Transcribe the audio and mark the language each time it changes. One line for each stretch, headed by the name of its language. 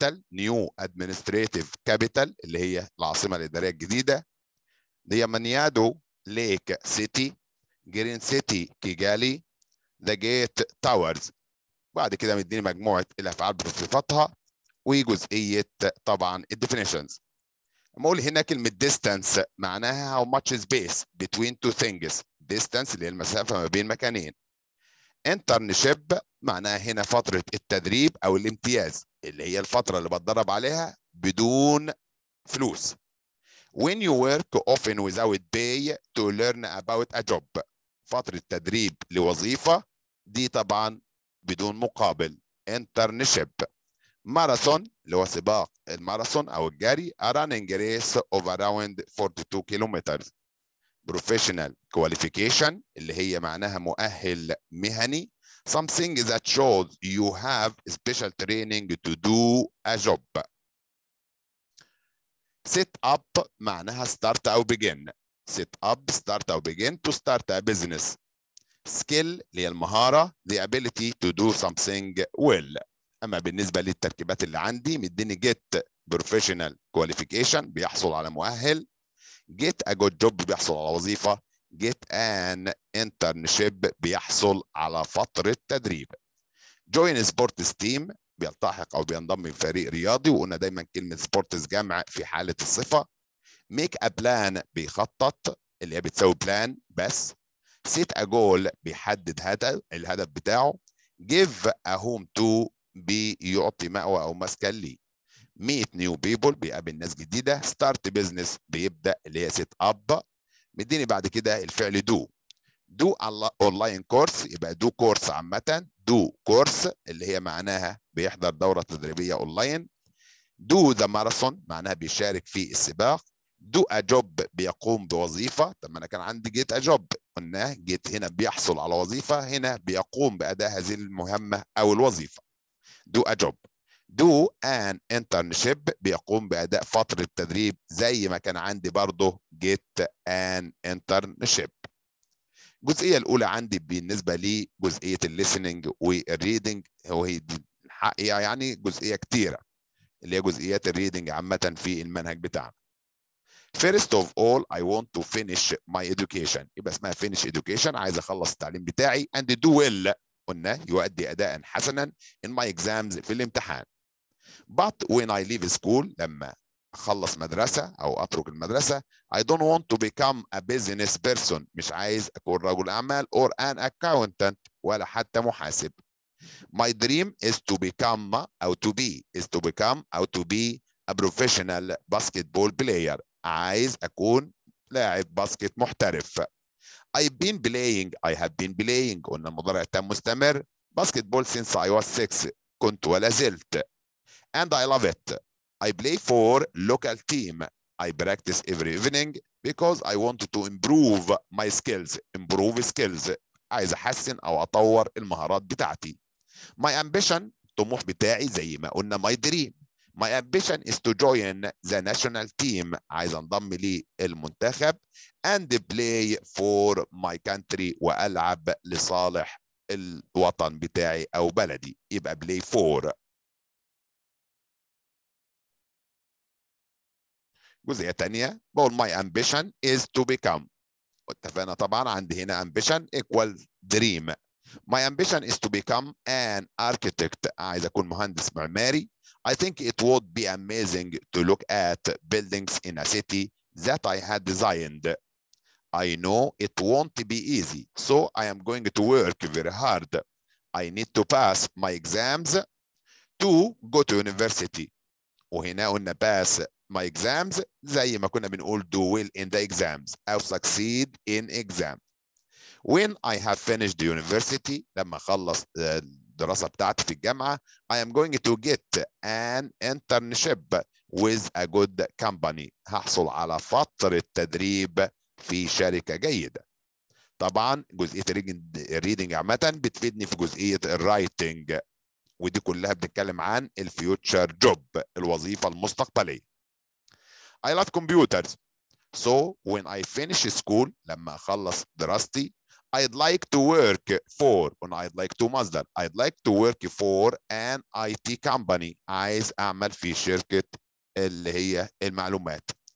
English: New administrative capital
Arabic: اللي هي العاصمة الإدارية الجديدة.
English: دي مانيادو lake city green city Kigali the gate towers.
Arabic: بعد كده مديني مجموعة الأفعال بصفتها وجزئية طبعا الديفينيشنز. أقول هنا كلمة
English: distance معناها how much space between two things.
Arabic: Distance اللي هي المسافة ما بين مكانين.
English: Internship
Arabic: معناها هنا فترة التدريب أو الامتياز اللي هي الفترة اللي بتدرب عليها بدون فلوس.
English: When you work often without pay to learn about a job.
Arabic: فترة تدريب لوظيفة دي طبعا بدون مقابل.
English: Internship.
Arabic: Marathon اللي هو سباق الماراثون أو الجري.
English: A running race of around 42 kilometers. Professional qualification
Arabic: اللي هي معناها مؤهل مهني.
English: Something that shows you have special training to do a job. Set up معناها start or begin. Set up, start or begin to start a business.
Arabic: Skill اللي هي المهارة.
English: The ability to do something well.
Arabic: أما بالنسبة للتركيبات اللي عندي مديني
English: get professional qualification
Arabic: بيحصل على مؤهل.
English: Get a good job
Arabic: بيحصل على وظيفة.
English: Get an internship
Arabic: بيحصل على فترة تدريب.
English: Join a sports team
Arabic: بيلتحق أو بينضم لفريق رياضي وقلنا دايما كلمة sports جمع في حالة الصفة.
English: Make a plan
Arabic: بيخطط اللي هي بتسوي plan بس.
English: Set a goal
Arabic: بيحدد هدف الهدف بتاعه.
English: Give a home to
Arabic: بيعطي مأوى أو مسكن لي.
English: Meet new people
Arabic: بيقابل ناس جديدة.
English: Start business
Arabic: بيبدأ اللي هي
English: set up.
Arabic: مديني بعد كده الفعل do.
English: Do online course يبقى do course عامة.
Arabic: Do course اللي هي معناها بيحضر دورة تدريبية online.
English: Do the marathon
Arabic: معناها بيشارك في السباق.
English: Do a job
Arabic: بيقوم بوظيفة. طب أنا كان عندي
English: get a job
Arabic: قلناه get هنا بيحصل على وظيفة هنا بيقوم بأداء هذه المهمة أو الوظيفة.
English: Do a job. Do an internship
Arabic: بيقوم بأداء فترة التدريب زي ما كان عندي برضو
English: get an internship.
Arabic: الجزئية الأولى عندي بالنسبة لي جزئية الليسننج والريدنج وهي يعني جزئيه كتيره اللي هي جزئيات الريدنج عامه في المنهج بتاعنا.
English: First of all I want to finish my education.
Arabic: يبقى اسمها finish education، عايز اخلص التعليم بتاعي.
English: And do well،
Arabic: قلنا يؤدي اداء حسنا
English: in my exams،
Arabic: في الامتحان.
English: But when I leave school،
Arabic: لما اخلص مدرسه او اترك المدرسه،
English: I don't want to become a business person،
Arabic: مش عايز اكون رجل اعمال
English: or an accountant
Arabic: ولا حتى محاسب.
English: My dream is to become او to be is to become او to be a professional basketball player،
Arabic: عايز اكون لاعب باسكت محترف.
English: I've been playing، I have been playing،
Arabic: قلنا المضارع تام مستمر،
English: basketball since I was 6،
Arabic: كنت ولا زلت.
English: And I love it. I play for local team. I practice every evening because I want to improve my skills.
Arabic: Improve skills، عايز احسن او اطور المهارات بتاعتي.
English: My ambition،
Arabic: طموح بتاعي زي ما قلنا
English: my dream. My ambition is to join the national team،
Arabic: عايز انضم لي المنتخب.
English: And play for my country،
Arabic: وألعب لصالح الوطن بتاعي أو بلدي. يبقى play for. جزئية تانية بقول
English: my ambition is to become،
Arabic: اتفقنا طبعا عندي هنا ambition equal dream.
English: My ambition is to become an architect،
Arabic: عايز أكون مهندس معماري.
English: I think it would be amazing to look at buildings in a city that I had designed. I know it won't be easy, so I am going to work very hard. I need to pass my exams to go to university.
Arabic: وهنا قلنا
English: pass my exams
Arabic: زي ما كنا بنقول
English: do well in the exams
Arabic: أو
English: succeed in exam. When I have finished the university،
Arabic: لما خلص الدراسة بتاعتي في الجامعة،
English: I am going to get an internship with a good company،
Arabic: هحصل على فترة تدريب في شركة جيدة. طبعا جزئية الريدنج عامة بتفيدني في جزئية الرايتنج، ودي كلها بنتكلم عن الفيوتشر جوب، الوظيفة المستقبلية.
English: I love computers، so when I finish school،
Arabic: لما أخلص دراستي،
English: I'd like to work for، and I'd like to مصدر، I'd like to work for an IT company،
Arabic: عايز أعمل في شركة اللي هي المعلومات.